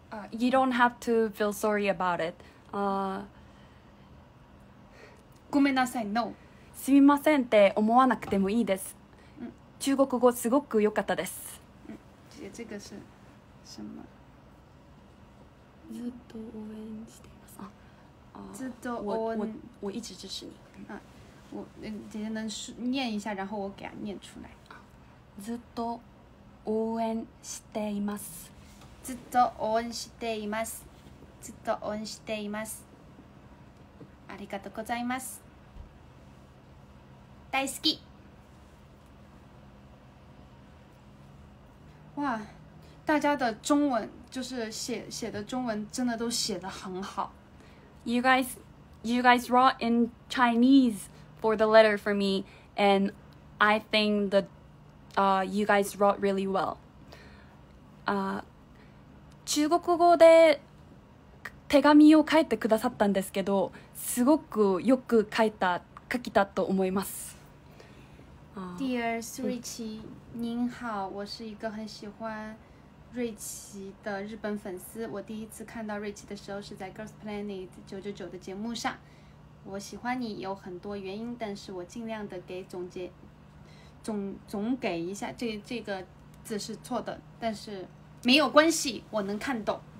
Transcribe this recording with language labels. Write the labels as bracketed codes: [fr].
[en] You don't have to feel sorry about it. [ja] ごめんなさい、no. すみませんって思わなくてもいいです。中国語すごく良かったです。 [zh] 这个是什么？ [ja] ずっと応援しています。ずっと応援。 [zh] 我一直支持你。我姐姐能念一下，然后我给她念出来。 [ja] ずっと応援しています。ずっと応援しています。ずっと応援しています。ありがとうございます。大好き。 [zh] 哇，大家的中文就是写的中文真的都写得很好。 [en] you guys wrote in Chinese for the letter for me, and I think that you guys wrote really well. [ja] 中国語で手紙を書いてくださったんですけど、すごくよく書きたと思います。 [zh] Dear 苏瑞琪，您好，我是一个很喜欢瑞琪的日本粉丝。我第一次看到瑞琪的时候是在 Girls Planet 999的节目上。我喜欢你有很多原因，但是我尽量的给总结，总给一下，这个字是错的，但是没有关系，我能看懂。